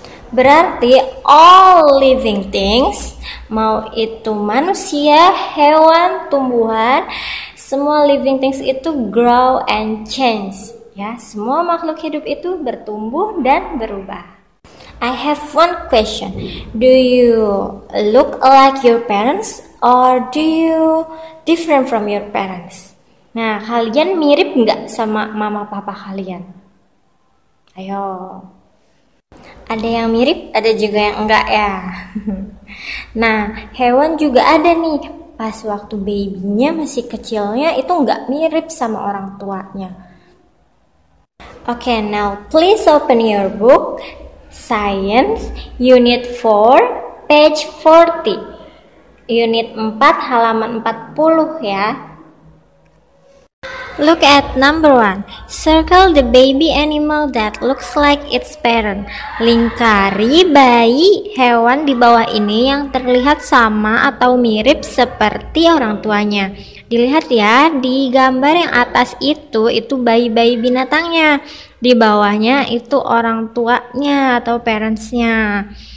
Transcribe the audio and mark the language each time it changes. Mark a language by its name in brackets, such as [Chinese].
[Indonesian] Berarti [English] all living things, [Indonesian] mau itu manusia, hewan, tumbuhan, semua [English] living things [Indonesian] itu [English] grow and change. [Indonesian] Ya, semua makhluk hidup itu bertumbuh dan berubah. [English] I have one question. Do you look like your parents or do you different from your parents? [Indonesian] Nah, kalian mirip nggak sama mama papa kalian? Ayo. Ada yang mirip, ada juga yang enggak ya. Nah, hewan juga ada nih. Pas waktu babynya masih kecilnya itu enggak mirip sama orang tuanya. [English] Okay, now please open your book, Science, Unit 4, page 40. [Indonesian] Unit 4, halaman 40 ya. [English] Look at number 1. Circle the baby animal that looks like its parent. [Indonesian] Lingkari bayi hewan di bawah ini yang terlihat sama atau mirip seperti orang tuanya. Dilihat ya, di gambar yang atas itu bayi-bayi binatangnya. Di bawahnya itu orang tuanya atau parentsnya.